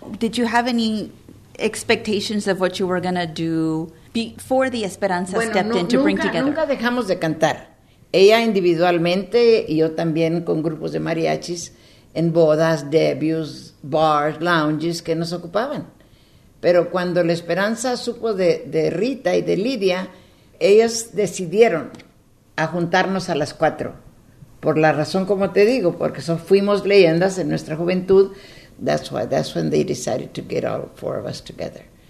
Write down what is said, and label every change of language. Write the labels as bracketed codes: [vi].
[en] Did you have any expectations of what you were going to do before the Esperanza stepped in to [es] nunca, [en] bring together? [es] Nunca dejamos de cantar. Ella individualmente y yo también con grupos de mariachis en bodas, debuts, [en] bars, lounges [es] que nos ocupaban. Pero cuando la Esperanza supo de Rita y de Lidia, ellas decidieron a juntarnos a las cuatro. Por la razón, como te digo, porque fuimos leyendas en nuestra juventud. [en] That's when they decided to get all four of us together.